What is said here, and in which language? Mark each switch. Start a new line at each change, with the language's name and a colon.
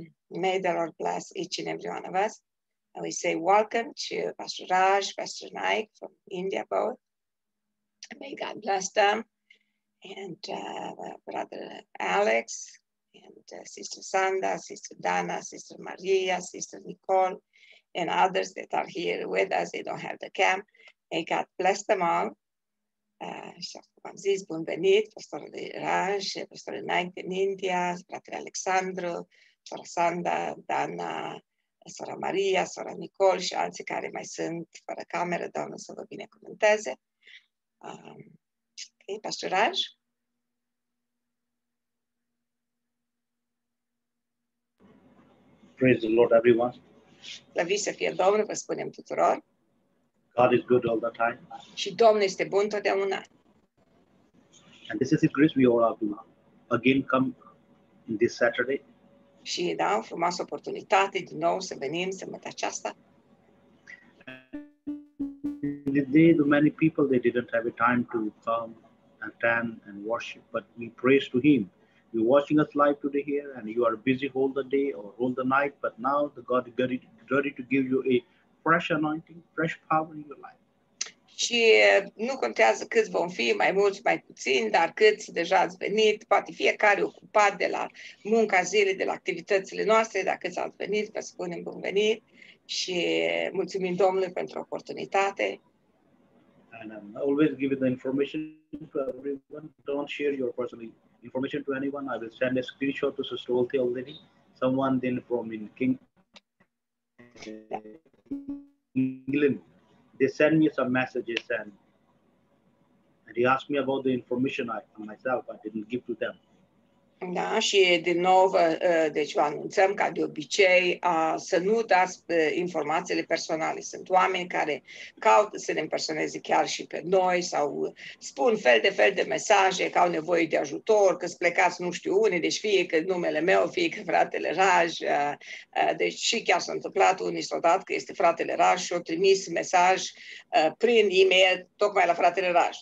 English: May the Lord bless each and every one of us. And we say welcome to Pastor Raj, Pastor Naik from India both. May God bless them. And Brother Alex. And Sister Sanda, Sister Dana, Sister Maria, Sister Nicole, and others that are here with us, they don't have the camp. May God bless them all.
Romanian: Și-am zis, bun venit, Pastorul Raj, Pastorul Naik din India, Fratele Alexandru, Sora Sanda, Dana, Sora Maria, Sora Nicole și alții care mai sunt fără cameră, Doamne să vă binecuvânteze.
English: Okay, Pastor Raj. Praise the Lord, everyone.
Romanian: Slavi să fie Domnul, vă spunem tuturor.
English: God is good all the time.
Romanian: Și Domnul este bun totdeauna.
English: And this is a grace we all have to know. Again, come this Saturday.
Romanian: Și da, o frumoasă oportunitate din nou să venim sâmbătă aceasta.
English: The day, the many people, they didn't have a time to come and attend and worship, but we praise to Him. You're watching us live today here, and you are busy all the day or all the night, but now the God is ready to give you a fresh anointing, fresh power in your life.
Romanian: Și nu contează câți vom fi, mai mulți, mai puțini, dar câți deja ați venit, poate fiecare ocupat de la munca zilei, de la activitățile noastre, dar câți ați venit, vă spunem bun venit și mulțumim Domnului pentru oportunitate.
English: And I'm always giving the information to everyone. Don't share your personal information to anyone. I will send a screenshot to Sister Olthe already. Someone then from in England, they send me some messages and he asked me about the information I didn't give to them.
Romanian: Da, și din nou, deci vă anunțăm ca de obicei să nu dați informațiile personale. Sunt oameni care caută să ne impersoneze chiar și pe noi sau spun fel de fel de mesaje că au nevoie de ajutor, că sunt plecați nu știu unde, deci fie că numele meu, fie că fratele Raj, deci și chiar s-a întâmplat unii s-au dat că este fratele Raj și au trimis mesaj prin e-mail tocmai la fratele Raj.